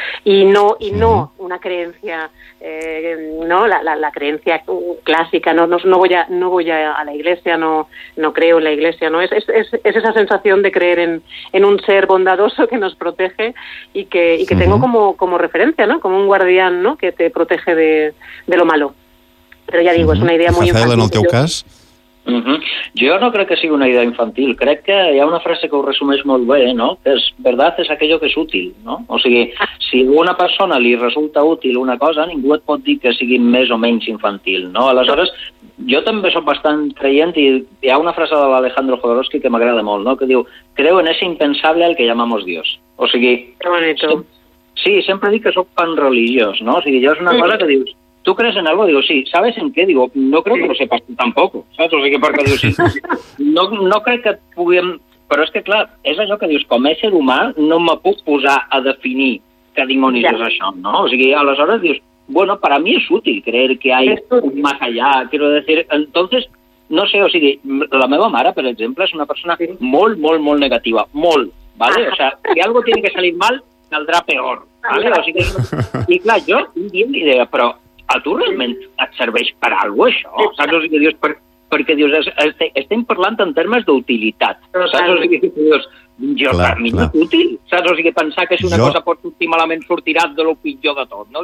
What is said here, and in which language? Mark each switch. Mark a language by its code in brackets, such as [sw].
[es] Y no una creencia, ¿no? La creencia clásica, ¿no? No voy a la iglesia, no creo en la iglesia, ¿no? Es esa sensación de creer en un ser bondadoso que nos protege y que tengo como referencia, ¿no? Como un guardián, ¿no? Que te protege de lo malo. [ca] Però ja dic, és una idea molt infantil. Rafael, en el teu cas? Jo no crec que sigui una idea infantil. Crec que hi ha una frase que ho resumeix molt bé, no? Que és, [es] verdad, [ca] és [es] aquello [ca] que és útil, no? O sigui, si a una persona li resulta útil una cosa, ningú et pot dir que sigui més o menys infantil, no? Aleshores, jo també soc bastant creient i hi ha una frase de l'Alejandro Jodorowsky que m'agrada molt, no? Que diu, [es] creo en ese impensable al que llamamos Dios. [ca] O sigui... [es] Que bonito. [ca] Sí, sempre dic que soc pan religiós, no? O sigui, jo és una cosa que dius... [es] ¿Tú crees en algo? Digo, sí. ¿Sabes en qué? Digo, no creo que lo sepas tampoco. ¿Sabes? O sea, que porque digo, sí. No creo que [ca] puguem Però és que, clar, és allò que dius, com a ésser humà no me puc posar a definir què dimonis ja. És això, no? O sigui, aleshores dius, bueno, [es] para mí es útil creer que hay un más allá, quiero decir, entonces, no sé, [ca] o sigui, la meva mare, per exemple, és una persona molt, molt, molt negativa, molt, ¿vale? [es] O sea, si algo tiene que salir mal, saldrá peor, ¿vale? [ca] O sigui, i clar, jo tinc ni idea, però a tu realment et serveix per algo això, saps? O sigui, dius, perquè dius, estem parlant en termes d'utilitat, saps? O sigui, dius, jo clar, per mi no és útil, saps? O sigui, pensar que si una cosa pot sortir malament sortirà de lo pitjor de tot, no?